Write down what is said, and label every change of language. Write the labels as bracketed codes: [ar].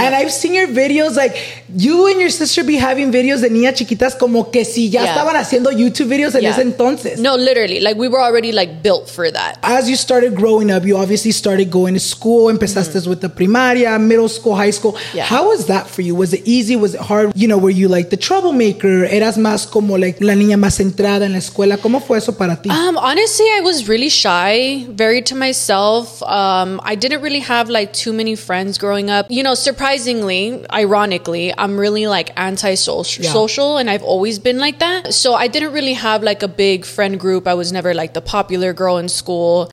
[en] And I've seen your videos, like you and your sister be having videos [es] de niñas chiquitas como que si ya estaban haciendo [en] YouTube videos en ese entonces. No, literally, like we were already like built for that. As you started growing up, you obviously started going to school, empezaste with the primaria, middle school, high school. Yeah. How was that for you? Was it easy? Was it hard? You know, were you like the troublemaker? [es] Eras más como like la niña más centrada en la escuela. ¿Cómo fue eso para ti? [en] Honestly, I was really shy, very to myself. I didn't really have like too many friends growing up. You know, surprisingly, ironically, I'm really like anti-social and I've always been like that. So I didn't really have like a big friend group. I was never like the popular girl in school.